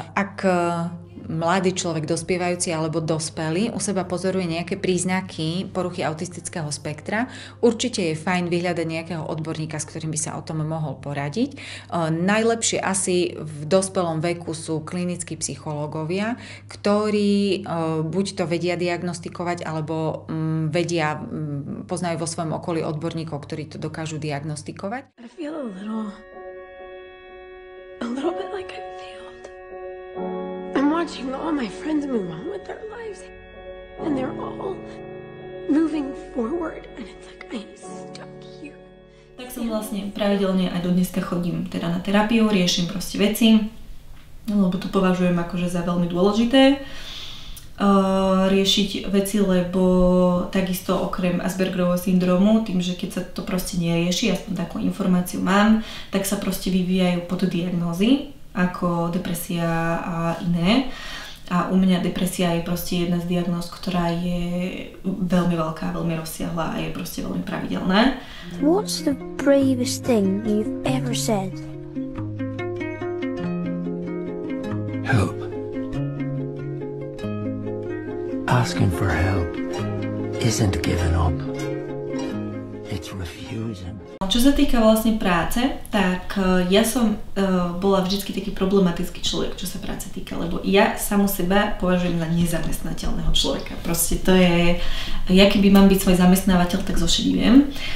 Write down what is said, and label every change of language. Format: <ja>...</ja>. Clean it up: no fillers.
<sk>Ak mladý človek, dospievajúci alebo dospelý, u seba pozoruje nejaké príznaky poruchy autistického spektra, určite je fajn vyhľadať nejakého odborníka, s ktorým by sa o tom mohol poradiť. Najlepšie asi v dospelom veku sú klinickí psychológovia, ktorí buď to vedia diagnostikovať, alebo vedia, poznajú vo svojom okolí odborníkov, ktorí to dokážu diagnostikovať.</sk> <en>I feel a little bit like I failed. I'm watching all my friends move on with their lives, and they're all moving forward, and it's like I'm stuck here.</en> <sk>Tak som vlastne pravidelne aj do dneska chodím teda na terapiu, riešim proste veci, lebo to považujem akože za veľmi dôležité riešiť veci, lebo takisto okrem Aspergerovho syndromu, tým, že keď sa to proste nerieši, aspoň takú informáciu mám, tak sa proste vyvíjajú pod diagnózy ako depresia a iné. A u mňa depresia je proste jedna z diagnóz, ktorá je veľmi veľká, veľmi rozsiahla a je proste veľmi pravidelná.</sk> <en>What's the bravest thing you've ever said? Help. Asking for help isn't giving up. It's refusing.</en> <sk>Čo sa týka vlastne práce, tak ja som bola vždycky taký problematický človek, čo sa práce týka, lebo ja samu seba považujem za nezamestnateľného človeka. Proste to je, ja keby mám byť svoj zamestnávateľ, tak zošedivujem.</sk>